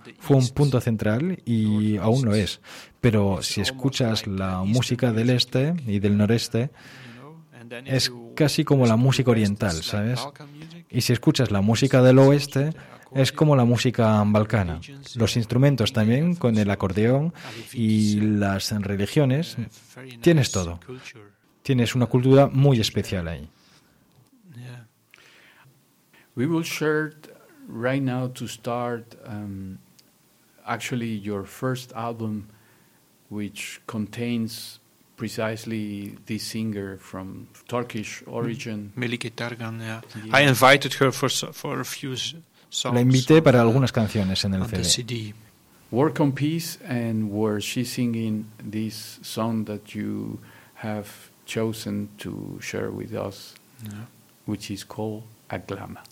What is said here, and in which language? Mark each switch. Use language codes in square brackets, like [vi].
[es] Fue un punto central y aún lo es. Pero si escuchas la música del este y del noreste, es casi como la música oriental, ¿sabes? Y si escuchas la música del oeste, es como la música balcana. Los instrumentos también, con el acordeón y las religiones, tienes todo. Tienes una cultura muy especial ahí. [en] We will share right now to start actually your first album, which contains precisely the singer from Turkish origin. Melike Tarjan, yeah. I invited her for a few songs. [es] La invité para algunas canciones en el CD. [en] Work on Peace, and where she's singing this song that you have chosen to share with us, yeah, which is called Aglama.